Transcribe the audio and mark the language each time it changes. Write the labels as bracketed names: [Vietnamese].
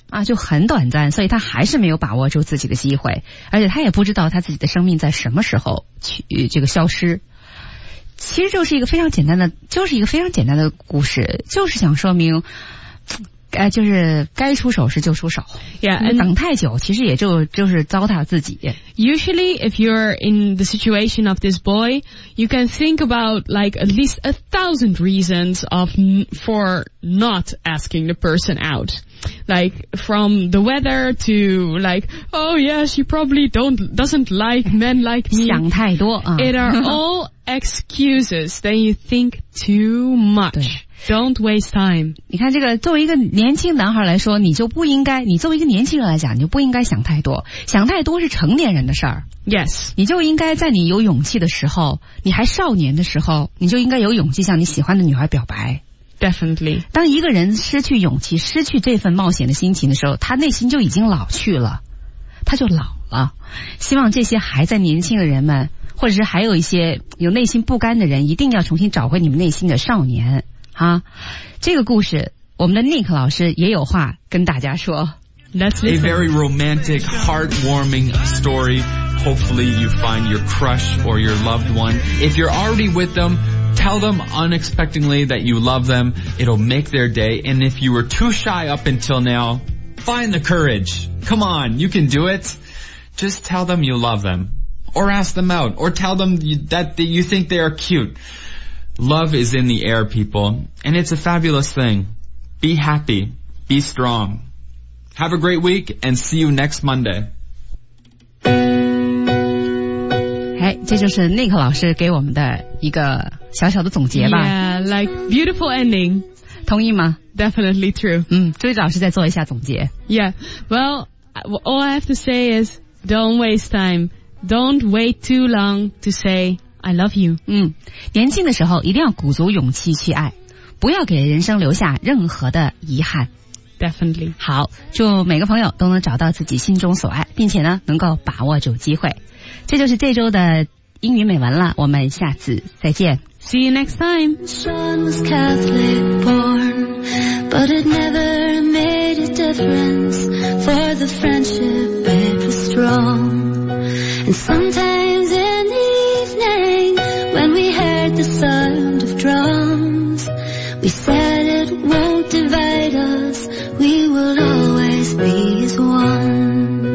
[Chinese] 啊就很短暂，所以他还是没有把握住自己的机会，而且他也不知道他自己的生命在什么时候去这个消失。其实就是一个非常简单的，就是一个非常简单的故事，就是想说明就是该出手时就出手。 [English] Yeah, and [Chinese] 等太久其实也就是糟蹋自己。 [English] Usually, if you're in the situation of this boy, you can think about like at least 1,000 reasons for not asking the person out. Like from the weather to like, oh yeah, she probably doesn't like men like me. [Chinese] 想太多。 [English] It are all excuses. Then you think too much. Don't waste time. [Chinese] 你看这个作为一个年轻男孩来说，你就不应该，你作为一个年轻人来讲，你就不应该想太多。想太多是成年人的事儿。 [English] Yes. [Chinese] 你就应该在你有勇气的时候，你还少年的时候，你就应该有勇气向你喜欢的女孩表白。 [English] Definitely. [Chinese] 当一个人失去勇气，失去这份冒险的心情的时候，他内心就已经老去了。他就老了。希望这些还在年轻的人们，或者是还有一些有内心不甘的人，一定要重新找回你们内心的少年。啊，这个故事，我们的 Nick 老师也有话跟大家说。 [English] Let's listen. A very romantic, heartwarming story. Hopefully, you find your crush or your loved one. If you're already with them, tell them unexpectedly that you love them. It'll make their day. And if you were too shy up until now, find the courage. Come on, you can do it. Just tell them you love them, or ask them out, or tell them that you think they are cute. Love is in the air, people, and it's a fabulous thing. Be happy. Be strong. Have a great week, and see you next Monday. [Chinese] 哎，这就是 Nick 老师给我们的一个小小的总结吧。 [English] Yeah, like beautiful ending. [Chinese] 同意吗？ [English] Definitely true. [Chinese] 嗯，朱老师再做一下总结。 [English] Yeah, well, all I have to say is don't waste time. Don't wait too long to say... I love you. [Chinese] 嗯，年轻的时候一定要鼓足勇气去爱，不要给人生留下任何的遗憾。 [English] Definitely. [Chinese] 好，祝每个朋友都能找到自己心中所爱，并且呢，能够把握住机会。这就是这周的英语美文了，我们下次再见。 [English] See you next time. Sean was Catholic born, but it never made a difference. For the friendship it was strong. And sometimes in the evening, when we heard the sound of drums, we said it won't divide us, we will always be as one.